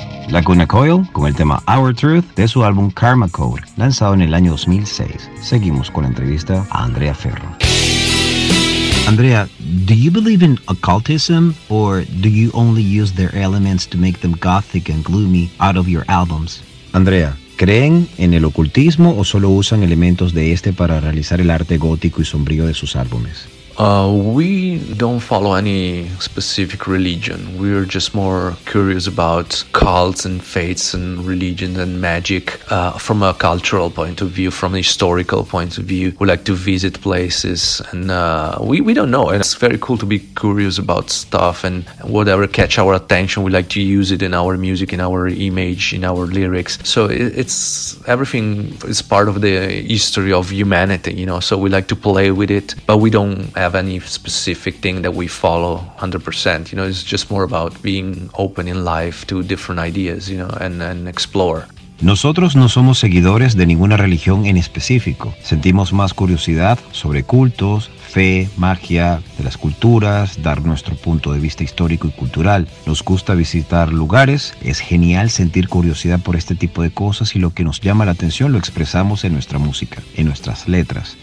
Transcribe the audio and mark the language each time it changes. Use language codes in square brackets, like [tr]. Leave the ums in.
[es] Lacuna Coil con el tema Our Truth de su álbum Karma Code, lanzado en el año 2006. Seguimos con la entrevista a Andrea Ferro. [en] Andrea, do you believe in occultism or do you only use their elements to make them gothic and gloomy out of your albums? [es] Andrea, ¿creen en el ocultismo o solo usan elementos de este para realizar el arte gótico y sombrío de sus álbumes? [en] Uh, we don't follow any specific religion. We're just more curious about cults and faiths and religions and magic uh, from a cultural point of view, from a historical point of view. We like to visit places and uh, we, we don't know. And it's very cool to be curious about stuff and whatever catch our attention. We like to use it in our music, in our image, in our lyrics. So it, it's everything is part of the history of humanity, you know. So we like to play with it, but we don't have any specific thing that we follow 100% you know it's just more about being open in life to different ideas you know and, and explore [es] Nosotros no somos seguidores de ninguna religión en específico. Sentimos más curiosidad sobre cultos, fe, magia, de las culturas, dar nuestro punto de vista histórico y cultural. Nos gusta visitar lugares, es genial sentir curiosidad por este tipo de cosas y lo que nos llama la atención lo expresamos en nuestra música, en nuestras letras.